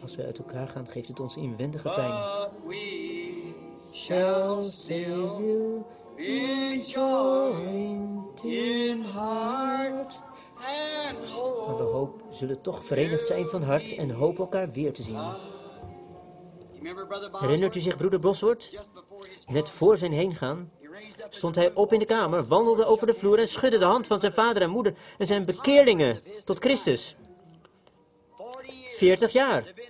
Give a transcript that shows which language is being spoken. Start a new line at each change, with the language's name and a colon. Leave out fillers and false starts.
Dutch: Als we uit elkaar gaan, geeft het ons inwendige pijn.
English: We shall still be joined in heart and hope.
Dutch: Maar we hoop zullen toch verenigd zijn van hart en hoop elkaar weer te zien. Herinnert u zich broeder Bosworth? Net voor zijn heengaan stond hij op in de kamer, wandelde over de vloer en schudde de hand van zijn vader en moeder en zijn bekeerlingen tot Christus. 40 jaar.